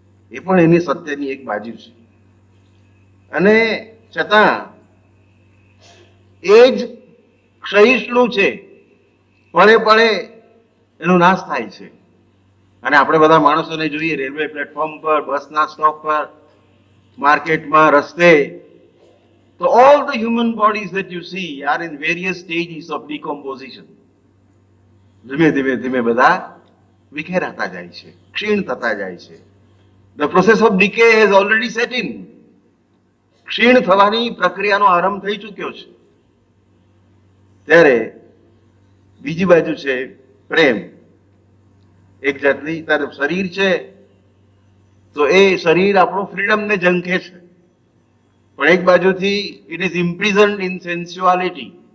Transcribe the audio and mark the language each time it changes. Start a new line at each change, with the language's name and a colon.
Gujarati: એ પણ એની સત્યની એક બાજુ છે. અને છતાં એ જ ક્ષયિષ્ણુ છે, પળે પળે એનો નાશ થાય છે. અને આપણે બધા માણસોને જોઈએ, રેલવે પ્લેટફોર્મ પર, બસના સ્ટોપ પર, માર્કેટમાં, રસ્તે,
English: So all the human bodies that you see are in various stages of decomposition.
Gujarati: ધીમે ધીમે ધીમે બધા વિખેરાતા જાય છે, ક્ષીણ થતા જાય છે.
English: The process of decay has already set in.
Gujarati: ક્ષીણ થવાની પ્રક્રિયાનો આરંભ થઈ ચૂક્યો છે. ત્યારે બીજી બાજુ છે પ્રેમ. એક જાતની તારે શરીર છે તો એ શરીર આપણો ફ્રીડમને ઝંખે છે, પણ એક બાજુથી
English: It is imprisoned in sensuality.